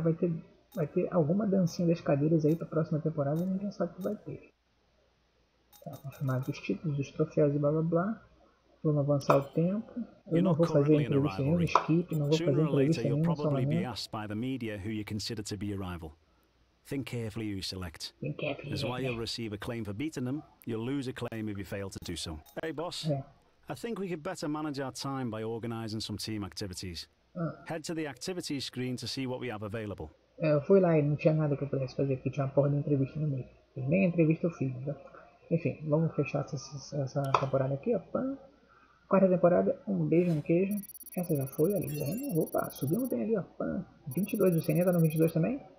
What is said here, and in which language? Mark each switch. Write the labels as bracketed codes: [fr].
[pt] Vai ter alguma dancinha das cadeiras aí pra próxima temporada, a gente já sabe que vai ter. Tá, confirmado os títulos, os troféus e blá blá blá. Vamos avançar o tempo. Eu não vou fazer entrevista nenhuma, skip, não vou fazer entrevista nenhuma, só amanhã. [en] Think carefully who select. Think carefully. Think carefully. That's why you'll receive a claim for beating them, you'll lose a claim if you fail to do so. Hey, boss. I think we could better manage our time by organizing some team activities. Head to the activities screen to see what we have available. [pt] Eu fui lá e não tinha nada que eu pudesse fazer, porque tinha uma porra de entrevista no meio. Nem entrevista eu fiz, né? Enfim, vamos fechar essa temporada aqui, ó. Pã. Quarta temporada, um beijo no queijo. Essa já foi ali. Opa, subimos bem ali, ó. Pã. 22, o Senna tá no 22 também.